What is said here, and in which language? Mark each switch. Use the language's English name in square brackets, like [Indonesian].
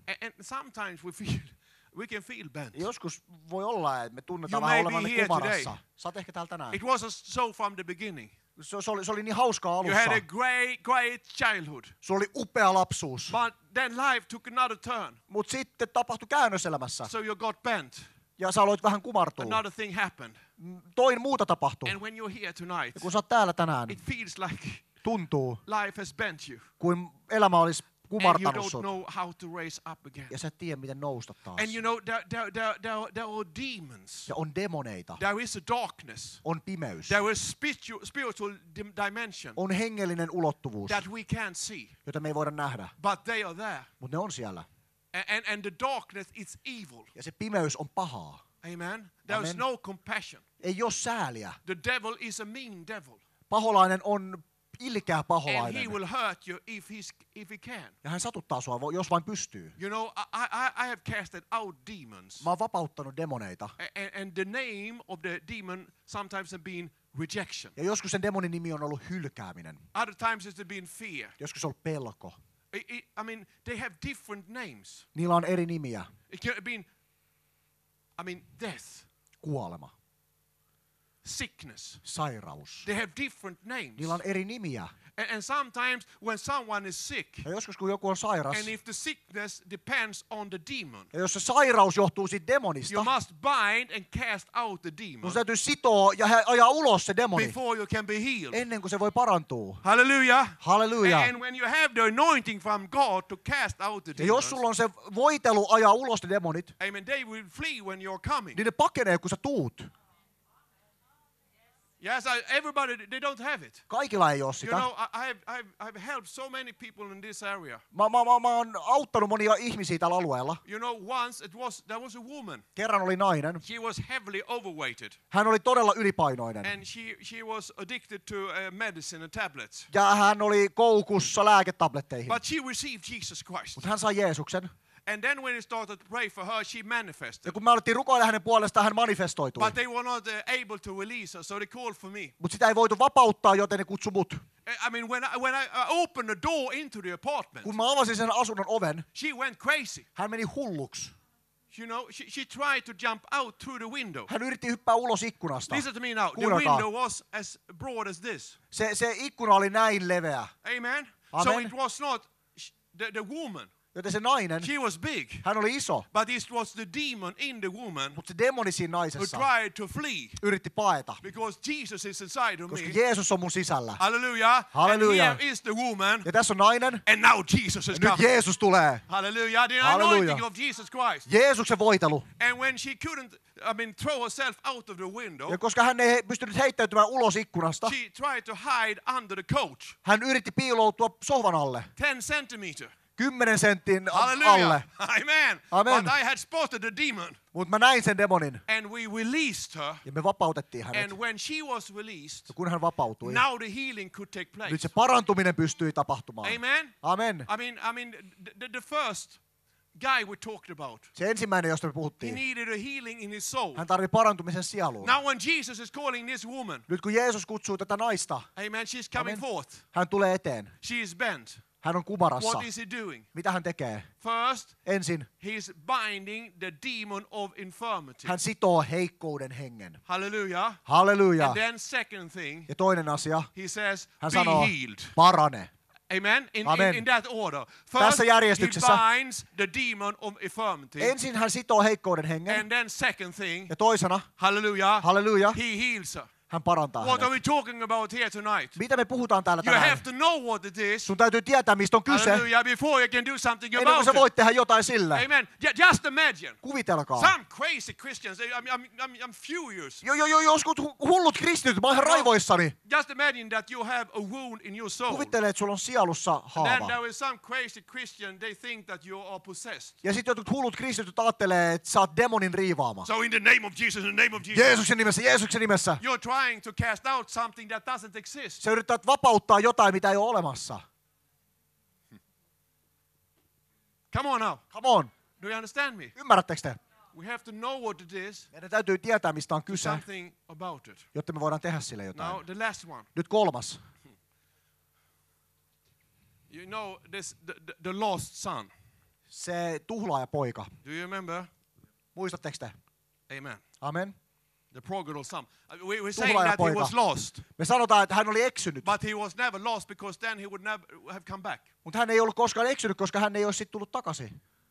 [English] And sometimes we can feel bent. [Finnish] Joskus voi olla, että me tunnetaan vähän olevamme kumarassa. Saat ehkä täällä tänään. [English] It was so from the beginning. [Finnish] Se oli niin hauskaa alussa. [English] You had a great childhood. [Finnish] Se oli upea lapsuus. [English] But then life took another turn. [Finnish] Mut sitten tapahtui käännös elämässä. [English] So you got bent. [Finnish] Ja sä aloit vähän kumartua. [English] Another thing happened. [Finnish] Toin muuta tapahtui. [English] And when you're here tonight. [Finnish] Ja kun sä oot täällä tänään. [English] It feels like [Finnish] tuntuu. [English] Life has bent you. [Finnish] Kuin elämä olisi kumartanut sut. [English] And you don't know how to raise up again. [Finnish] Ja sä et tiedä, miten nousta taas. [English] And you know there are demons. [Finnish] Ja on demoneita. [English] There is a darkness. [Finnish] On pimeys. [English] There is spiritual dimension. [Finnish] On hengellinen ulottuvuus. [English] That we can't see. [Finnish] Jota me ei voida nähdä. [English] But they are there. [Finnish] Mut ne on siellä. [English] And the darkness is evil. [Finnish] Ja se pimeys on pahaa. [English] Amen. There is no compassion. [Finnish] Ei ole sääliä. [English] The devil is a mean devil. [Finnish] Paholainen on ilkeä paholainen. [English] And he will hurt you if he can. [Finnish] Ja hän satuttaa sua, jos vain pystyy. [English] You know, I have casted out demons. [Finnish] Mä oon vapauttanut demoneita. [English] And the name of the demon sometimes has been rejection. [Finnish] Ja joskus sen demonin nimi on ollut hylkääminen. [English] Other times it's been fear. [Finnish] Joskus on ollut pelko. [English] I mean, they have different names. [Finnish] Niillä on eri nimiä. [English] I mean, death. [Finnish] Kuolema. [English] Sickness. [Finnish] Sairaus. [English] They have different names. [Finnish] Niillä on eri nimiä. [English] And sometimes when someone is sick. [Finnish] Ja joskus kun joku on sairas. [English] And if the sickness depends on the demon. [Finnish] Ja jos se sairaus johtuu siitä demonista. [English] You must bind and cast out the demon. [Finnish] Sun täytyy sitoa ja ajaa ulos se demoni. [English] Before you can be healed. [Finnish] Ennen kuin se voi parantua. [English] Hallelujah. [Finnish] Hallelujah. [English] And when you have the anointing from God to cast out the demon. [Finnish] Jos sulla on se voitelu ajaa ulos ne demonit. [English] Amen. They will flee when you're coming. [Finnish] Niin ne pakenee kun sä tuut. [English] Yes, everybody, they don't have it. [Finnish] Kaikilla ei ole sitä. [English] You know, I've helped so many people in this area. [Finnish] Mä oon auttanut monia ihmisiä tällä alueella. [English] You know, once there was a woman. [Finnish] Kerran oli nainen. [English] She was heavily overweighted. [Finnish] Hän oli todella ylipainoinen. [English] And she was addicted to medicine and tablets. [Finnish] Ja hän oli koukussa lääketabletteihin. [English] But she received Jesus Christ. [Finnish] Mutta hän sai Jeesuksen. [English] And then when he started to pray for her, she manifested. [Finnish] Ja kun me alettiin rukoilla hänen puolestaan, hän manifestoitui. [English] But they were not able to release her, so they called for me. [Finnish] Mut sitä ei voitu vapauttaa, joten ne kutsui mut. [English] I mean, when I opened the door into the apartment. [Finnish] Kun mä avasin sen asunnon oven. [English] She went crazy. [Finnish] Hän meni hulluksi. [English] You know, she tried to jump out through the window. [Finnish] Hän yritti hyppää ulos ikkunasta. [English] Listen to me now. [Finnish] Kuunnakaa. [English] The window was as broad as this. [Finnish] Se ikkuna oli näin leveä. [English] Amen. [Finnish] Amen. [English] So it was not the woman. [Finnish] Joten se nainen, [English] she was big, [Finnish] hän oli iso. [English] But it was the demon in the woman. [Finnish] Mutta se demoni siinä naisessa. [English] Who tried to flee. [Finnish] Yritti paeta. [English] Because Jesus is inside of [Finnish] koska [English] me. [Finnish] Koska Jeesus on mun sisällä. [English] Hallelujah. [Finnish] Hallelujah. [English] And here is the woman. [Finnish] Ja tässä on nainen. [English] And now Jesus is [Finnish] ja nyt Jeesus tulee. [English] Hallelujah. The anointing of Jesus Christ. [Finnish] Jeesuksen voitelu. [English] And when she couldn't, I mean, throw herself out of the window. [Finnish] Ja koska hän ei pystynyt heittäytymään ulos ikkunasta. [English] She tried to hide under the couch. [Finnish] Hän yritti piiloutua sohvan alle. [English] 10 centimeters. [Finnish] 10 sentin [English] Hallelujah. [Finnish] Alle. [English] Amen. [Finnish] Amen. [English] But I had spotted the demon. [Finnish] Mut mä näin sen demonin. [English] And we released her. [Finnish] Ja me vapautettiin hänet. [English] And when she was released. [Finnish] Ja kun hän vapautui. [English] Now the healing could take place. [Finnish] Nyt se parantuminen pystyi tapahtumaan. [English] Amen. [Finnish] Amen. [English] I mean the first guy we talked about. [Finnish] Se ensimmäinen, josta me puhuttiin. [English] He needed a healing in his soul. [Finnish] Hän tarvii parantumisen sieluun. [English] Now when Jesus is calling this woman. [Finnish] Nyt kun Jeesus kutsuu tätä naista. [English] Amen. She's coming forth. [Finnish] Hän tulee eteen. [English] She is bent. [Finnish] Hän on kumarassa. [English] What is he doing? [Finnish] Mitä hän tekee? [English] First, [Finnish] ensin [English] he's binding the demon of infirmity. [Finnish] Hän sitoo heikkouden hengen. [English] Hallelujah. [Finnish] Hallelujah. [English] And then second thing. [Finnish] Ja toinen asia. [English] He says, [Finnish] hän [English] be [Finnish] sanoo, [English] healed. [Finnish] Parane. [English] Amen. In that order. First, [Finnish] tässä järjestyksessä. [English] He binds the demon of infirmity. [Finnish] Ensin hän sitoo heikkouden hengen. [English] And then second thing. [Finnish] Ja toisena. [English] Hallelujah. [Finnish] Hallelujah. [English] He heals her. [Finnish] Hän parantaa [English] what are we talking about here tonight? [Finnish] Mitä me puhutaan täällä tänään? [English] You have to know what it is. [Finnish] Sun täytyy tietää, mistä on kyse. [English] Hallelujah, before you can do something about [Finnish] Ennen kuin sä voit tehdä jotain sillä. [English] Amen. Just imagine. [Finnish] Kuvitelkaa. [English] Some crazy Christians. I'm furious. [Finnish] Joskus hullut kristityt. Mä oon ihan raivoissani. [English] Just imagine that you have a wound in your soul. [Finnish] Kuvittele, että sulla on sielussa haava. [English] And then there is some crazy Christian, they think that you are possessed. [Finnish] Ja sit jotkut hullut kristityt ajattelee, että sä oot demonin riivaama. [English] So in the name of Jesus, in the name of Jesus. [Finnish] Jeesuksen nimessä, Jeesuksen nimessä. [English] Trying to cast out something that doesn't exist. [Finnish] Sä yrität vapauttaa jotain, mitä ei ole olemassa. [English] Come on now. Come on. Do you understand me? [Finnish] Ymmärrättekö te? [English] We have to know what it is. [Finnish] Meidän täytyy tietää, mistä on kyse. [English] Something about it. [Finnish] Jotta me voidaan tehdä sille jotain. [English] Now the last one. [Finnish] Nyt kolmas. [English] You know this the lost son. [Finnish] Se tuhlaaja poika. [English] Do you remember? [Finnish] Muistatteko te? [English] Amen. [Finnish] Amen. [English] The prodigal son. We say that [Finnish] poika. [English] He was lost. [Finnish] Me sanotaan, että hän oli eksynyt. [English] But he was never lost because then he would never have come back. [Finnish] Mutta hän ei ollut koskaan eksynyt, koska hän ei olisi sitten tullut takaisin.